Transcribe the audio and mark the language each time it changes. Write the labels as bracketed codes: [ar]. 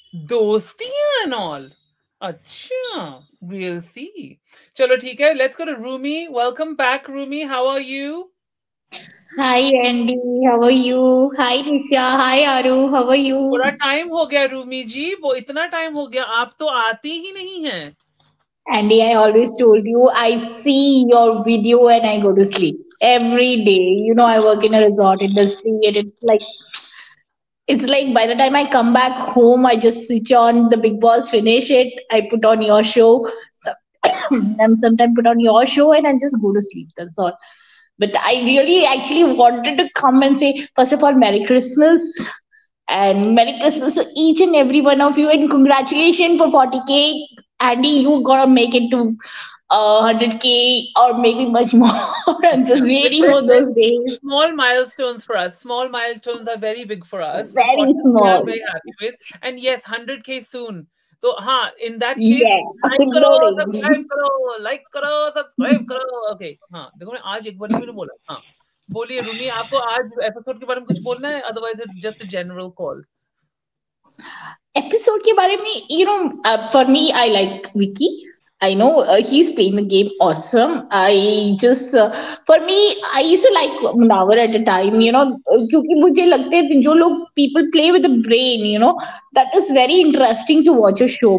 [hi] Dostiyan and all, अच्छा, [en] we'll see. [hi] चलो ठीक है, [en] let's go to Rumi. Welcome back, Rumi. How are you? Hi Andy, how are you? Hi Nitya, hi Aru, how are you? [hi] पूरा time हो गया रूमी जी, वो इतना time हो गया, आप तो आती ही नहीं हैं. [en] Andy, I always told you, I see your video and I go to sleep every day. You know, I work in a resort industry and it's like by the time I come back home, I just switch on the Big Boss, finish it, I put on your show. So, I'm sometimes put on your show and I just go to sleep, that's all. But I really actually wanted to come and say, first of all, Merry Christmas. And Merry Christmas to each and every one of you. And congratulations for 40K. Andy, you're going to make it to 100K or maybe much more. I'm just waiting for those days. Small milestones for us. Small milestones are very big for us. Very small. We are very happy with. And yes, 100K soon. So, in that case, [hi] like karo, subscribe karo. Okay, देखो मैं आज एक बार ही नहीं बोला. हाँ, बोलिए रूमी, आपको आज एपिसोड के बारे में कुछ बोलना है? [en] Otherwise, it's just a general call. [hi] Episode के बारे में, [en] you know, for me, I like Vicky. I know he's playing the game awesome. I just, for me, I used to like Munawar at a time, you know, [hi] kyunki mujhe lagte hai jo log [en] people play with a brain, you know, that is very interesting to watch a show.